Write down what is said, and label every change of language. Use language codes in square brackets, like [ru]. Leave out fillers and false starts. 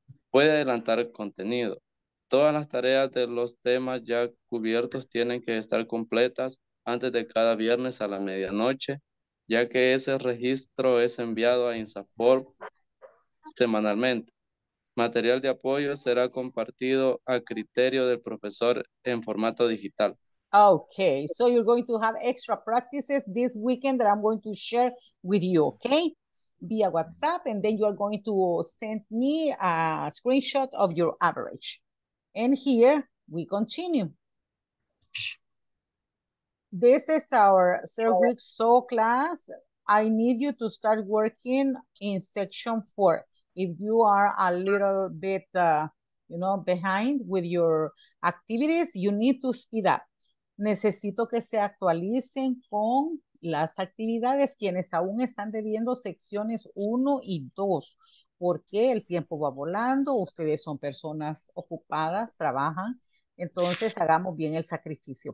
[es] Puede adelantar contenido. Todas las tareas de los temas ya cubiertos tienen que estar completas antes de cada viernes a la medianoche, ya que ese registro es enviado a INSAFOR semanalmente. Material de apoyo será compartido a criterio del profesor en formato digital. [en] Okay, so you're going to have extra practices this weekend that I'm going to share with you, okay? Via WhatsApp, and then you are going to send me a screenshot of your average. And here we continue. This is our third week SOW class. I need you to start working in section four. If you are a little bit, you know, behind with your activities, you need to speed up. [es] Necesito que se actualicen con las actividades, quienes aún están debiendo secciones 1 y 2, porque el tiempo va volando, ustedes son personas ocupadas, trabajan, entonces hagamos bien el sacrificio.